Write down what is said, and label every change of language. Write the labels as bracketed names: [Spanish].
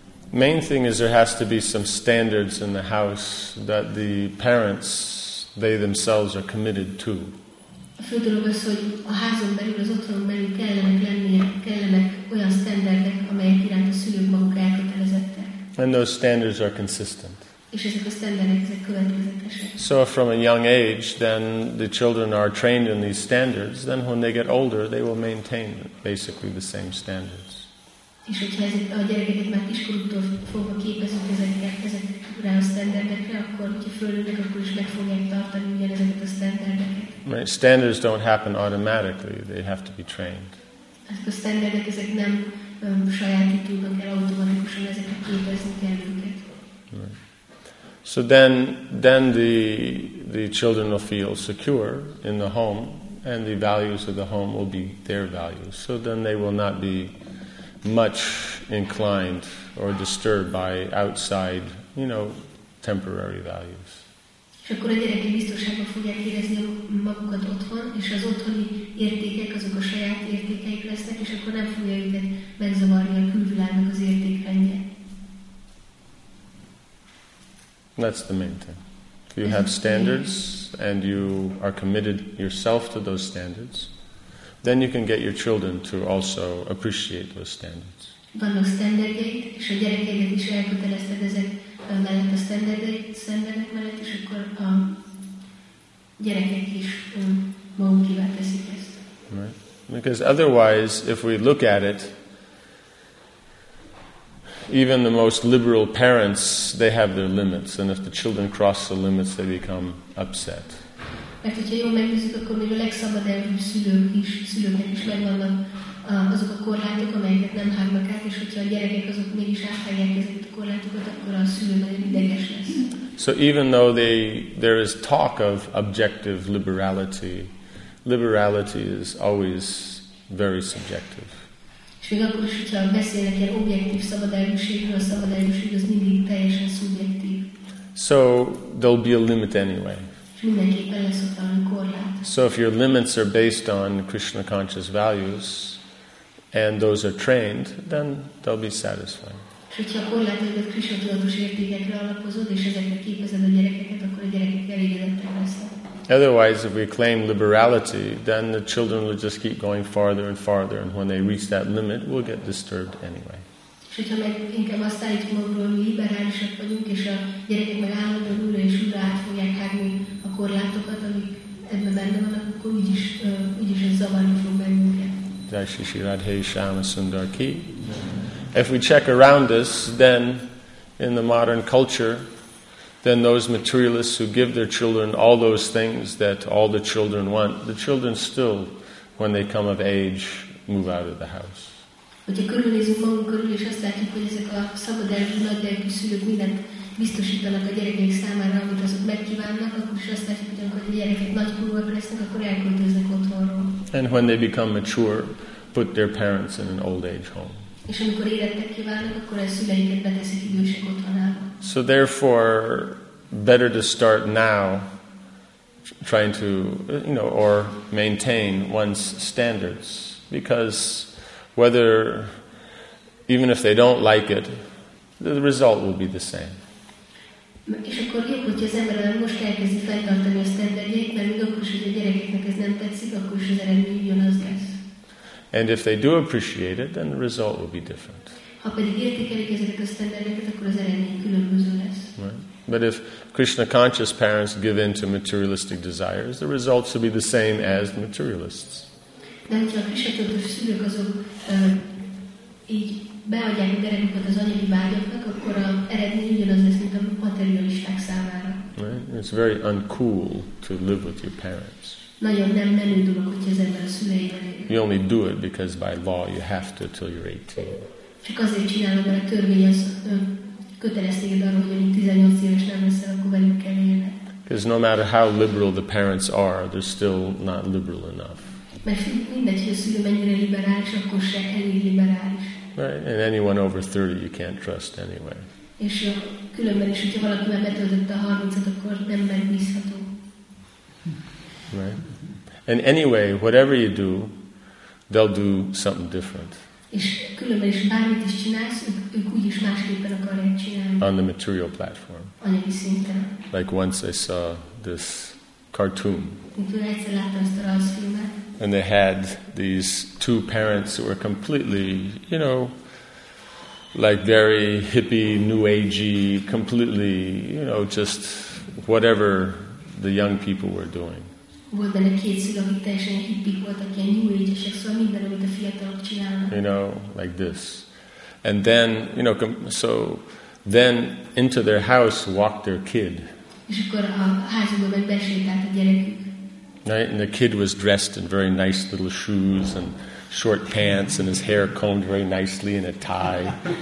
[English] Main thing is there has to be some standards in the house that the parents, they themselves, are committed to. [Hungarian] A fő dolog az, hogy a házon belül, az otthonon belül kellenek olyan standardek, amelyek iránt a szülők maguk elkötelezettek. [English] And those standards are consistent. [Hungarian] És ezek a standardek, ezek következetesek. [English] So from a young age, then the children are trained in these standards, then when they get older, they will maintain basically the same standards. [Hungarian] És hogyha ezek a gyerekeket már kiskorúktól fogva képezünk ezekre a standardekre, akkor hogyha fölülnek, akkor is meg fogják tartani ugyanezeket a standardeket. [English] Right. Standards don't happen automatically, they have to be trained. [Hungarian] Ezek a standardek, ezek nem sajátítódnak el automatikusan, ezeket képezni kell őket. [English] So then the children will feel secure in the home, and the values of the home will be their values. So then they will not be much inclined or disturbed by outside, you know, temporary values. [Hungarian] És akkor a gyerekek biztonságban fogják érezni magukat otthon, és az otthoni értékek azok a saját értékeik lesznek, és akkor nem fogja őket megzavarni a külvilágnak az értékrendje. [English] That's the main thing. If you have standards and you are committed yourself to those standards, then you can get your children to also appreciate those standards. [Hungarian] Vannak standardjait, és a gyerekeidet is elkötelezted ezek mellett a standardek mellett, és akkor a gyerekek is magukivá teszik ezt. [English] Right. Because otherwise, if we look at it, even the most liberal parents, they have their limits, and if the children cross the limits, they become upset. [Hungarian] Mert hogyha jól megnézzük, akkor még a legszabadelvűbb szülőknek is megvannak azok a korlátok, amelyeket nem hágnak át, és hogyha a gyerekek azok mégis áthágják ezeket a korlátokat, akkor a szülő nagyon ideges lesz. [English] So even though there is talk of objective liberality, liberality is always very subjective. [Hungarian] És még akkor is, hogyha beszélnek ilyen objektív szabadelvűségről, a szabadelvűség az mindig teljesen szubjektív. [English] So there'll be a limit anyway. [Hungarian] Mindenképpen lesz ott valami korlát. [English] So if your limits are based on Krishna conscious values, and those are trained, then they'll be satisfied. [Hungarian] És hogyha a korlátodat Krishna tudatos értékekre alapozod, és ezekre képezed a gyerekeket, akkor a gyerekek elégedettek lesznek. [English] Otherwise, if we claim liberality, then the children will just keep going farther and farther, and when they reach that limit, we'll get disturbed anyway. [Hungarian] És hogyha meg inkább azt állítjuk magunkról, hogy liberálisak vagyunk, és a gyerekek meg állandóan újra és újra át fogják hágni a korlátokat, amik ebben benne vannak, akkor úgyis ez zavarni fog bennünket. [Hindi] Jai Shri Radhe Shyama Sundar Ki. [English] If we check around us, then in the modern culture, then those materialists who give their children all those things that all the children want, the children still, when they come of age, move out of the house. [Hungarian] Hogyha körülnézünk magunk körül, és azt látjuk, hogy ezek a szabadelvű, nagyelvű szülők mindent biztosítanak a gyerekeik számára, amit azok megkívánnak, akkor is azt látjuk, hogy a gyerekek nagykorúak lesznek, akkor elköltöznek otthonról. [English] And when they become mature, put their parents in an old age home. [Hungarian] És amikor érettek kívánnak, akkor a szüleiket beteszik idősek otthonába. [English] So therefore, better to start now trying to, you know, or maintain one's standards. Because whether, even if they don't like it, the result will be the same. [Hungarian] És akkor jó, hogyha az ember most elkezdi fenntartani a standardjait, mert még akkor is, hogy a gyerekeknek ez nem tetszik, akkor is az eredmény ugyanaz lesz. [English] And if they do appreciate it, then the result will be different. [Hungarian] Ha pedig értékelik ezeket a standardeket, akkor az eredmény különböző lesz. [English] Right. But if Krishna conscious parents give in to materialistic desires, the results will be the same as the materialists. [Hungarian] De hogyha a Krishna tudatos szülők azok így beadják a gyerekeket az anyagi vágyaknak, akkor az eredmény ugyanaz lesz, mint a materialisták számára. [English] Right. It's very uncool to live with your parents. [Hungarian] Nagyon nem menő dolog, hogyha az ember a szüleivel él. [English] You only do it because by law you have to till you're 18. [Hungarian] Csak azért csinálod, mert a törvény az kötelez téged arra, hogy amíg 18 éves nem leszel, akkor velük kell élned. [English] Because no matter how liberal the parents are, they're still not liberal enough. [Hungarian] Mert mindegy, hogy a szülő mennyire liberális, akkor se elég liberális. [English] Right? And anyone over 30 you can't trust anyway. [Hungarian] És különben is, hogyha valaki már betöltött a 30-at, akkor nem megbízható. [English] Right? And anyway, whatever you do, they'll do something different. [Hungarian] És különben is, bármit is csinálsz, ők úgyis másképpen akarják csinálni. [English] On the material platform. [Hungarian] Anyagi szinten. [English] Like once I saw this cartoon. [Hungarian] Úgyhogy egyszer láttam ezt a rajzfilmet. [English] And they had these two parents who were completely, you know, like very hippie, new agey, completely, you know, just whatever the young people were doing. [Hungarian] Volt benne két szülő, akik teljesen hippik voltak, ilyen new age-esek, szóval minden, amit a fiatalok csinálnak. [English] You know, like this. And then, you know, so then into their house walked their kid. [Hungarian] És akkor a házukba meg besétált a gyerekük. [English] Right? And the kid was dressed in very nice little shoes and short pants and his hair combed very nicely in a tie.